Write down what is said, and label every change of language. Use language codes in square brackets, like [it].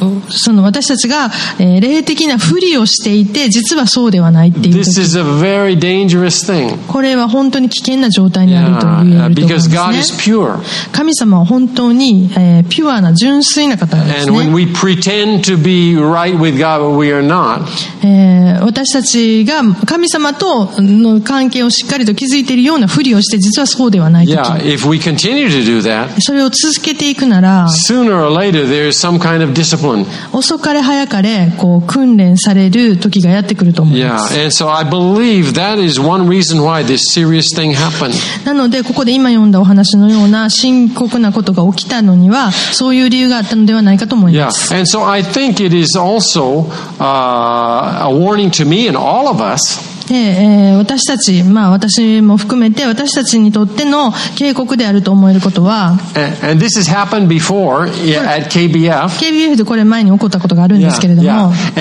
[ja] その私たちが、霊的なふりをしていて実はそうではないっていう。 [en] This is a very dangerous thing. [ja] これは本当に危険な状態にあると言えると思うんですね。 [en] Because God is pure. [ja] 神様は本当に、ピュアな純粋な方ですね。 [en] And when we pretend to be right with God but we are not. [ja] 私たちが神様との関係をしっかりと築いているようなふりをして実はそうではない。 [en] Yeah, if we continue to do that, [ja] それを続けていくなら [en] sooner or later there is some kind of discipline. [ja] 遅かれ早かれこう訓練される時がやってくると思います。 [en] Yeah, and so I believe that is one reason why this serious thing happened. [ja] なのでここで今読んだお話のような深刻なことが起きたのにはそういう理由があったのではないかと思います。 [en] Yeah, and so I think it is also a warning to me and all of us. [ja] で、私たち、まあ私も含めて私たちにとっての警告であると思えることは、 [en] and this has happened before at KBF. [ja] KBF でこれ前に起こったことがあるんですけれども、